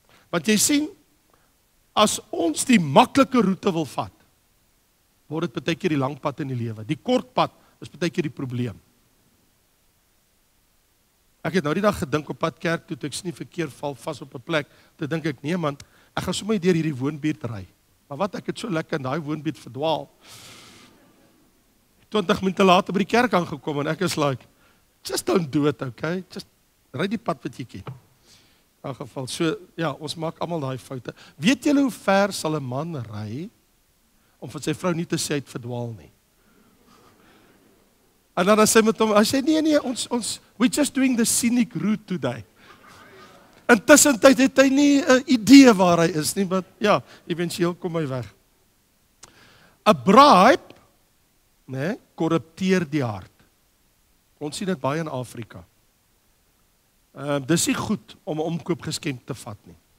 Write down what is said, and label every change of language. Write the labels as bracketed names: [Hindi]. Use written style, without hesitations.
[Afrikaans] Want jy sien, as ons die maklike roete wil vat, word dit baie keer die lang pad in die lewe. Die kort pad is baie keer die probleem. Ek het nou die dag gedink op pad kerk toe, ek sien die verkeer val vas op 'n plek, te dink ek, nee man, ek gaan sommer deur hierdie woonbuurt ry. Maar wat, ek het so lekker in daai woonbuurt verdwaal. 20 minute later by die kerk aangekom en ek is [English] like, just don't do it, okay? [Afrikaans] Just ry die pad wat jy ken. In elk geval, so ja, ons maak almal daai foute. Weet julle hoe ver sal 'n man ry om van sy vrou nie te sê hy het verdwaal nie? En dan sê met hom, hy sê, nee, ons, [English] we're just doing the scenic route today. [Afrikaans] Intussen tyd het hy nie 'n idee waar hy is nie, maar ja, eventueel kom hy weg. A bribe, nee, korrupteer die hart. Ons sien dit baie in Afrika. Dis nie goed om 'n omkoopgeskenk te vat nie.